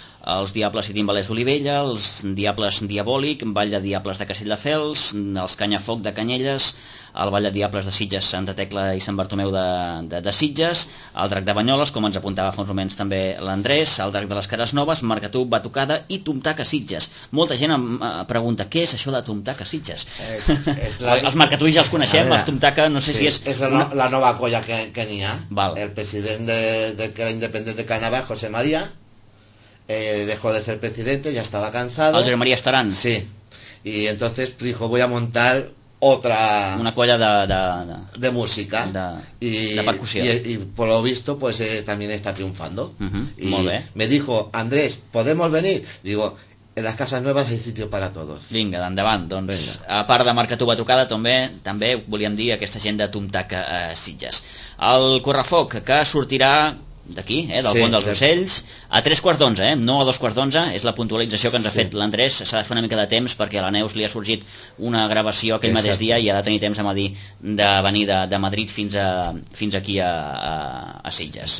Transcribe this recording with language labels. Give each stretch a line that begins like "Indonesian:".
Catalan: Els Diables i Timbalers d'Olivella, els Diables Diabòlic, Ball de Diables de Castelldefels, els Canyafoc de Canyelles, el Ball de Diables de Sitges, Santa Tecla i Sant Bartomeu de Sitges, el Drac de Banyoles, com ens apuntava fa uns moments també l'Andrés, el Drac de les Cares Noves, Marcatú, Batucada i Tomtac a Sitges. Molta gent em pregunta, què és això de Tomtac a Sitges? Els Marcatú ja els coneixem, veure, els Tomtac, no sé sí, si és... És la, la nova colla que n'hi ha. Val.
Spanish: El president de la Independent de Canadà, José María, dejó de ser presidente, ya estaba cansado. José María Estarán. Sí. Y entonces dijo, voy a montar otra... Una colla de música. De percusión. Y por lo visto, pues también está triunfando. Uh-huh. Y muy bien. Me dijo, Andrés, ¿podemos venir? Digo, en las casas nuevas hay sitio para todos.
Catalan: Vinga, d'endavant, doncs. Venga. A part de Marcatú Batucada, també volíem dir aquesta gent de Tomtac a Sitges. El Correfoc, que sortirà... d'aquí, del pont dels ocells a 10:45, no a 2:45 és la puntualització que ens ha fet l'Andrés. S'ha de fer una mica de temps perquè a la Neus li ha sorgit una gravació aquell mateix dia i ha de tenir temps a Madrid de venir de Madrid fins aquí a Sitges.